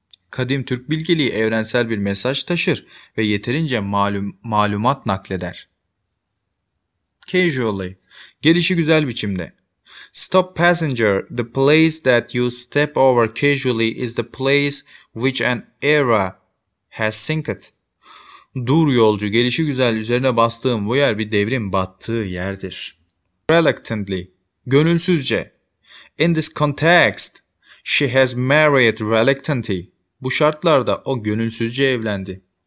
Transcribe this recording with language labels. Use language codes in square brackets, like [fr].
[tr] Kadim Türk bilgeliği evrensel bir mesaj taşır ve yeterince malumat nakleder. [en] Casually, [tr] gelişi güzel biçimde. [en] Stop passenger, the place that you step over casually is the place which an era has sunked. [tr] Dur yolcu, gelişi güzel üzerine bastığım bu yer bir devrim battığı yerdir. [en] Reluctantly, [tr] gönülsüzce. [en] In this context, she has married reluctantly. [tr] Bu şartlarda o gönülsüzce evlendi.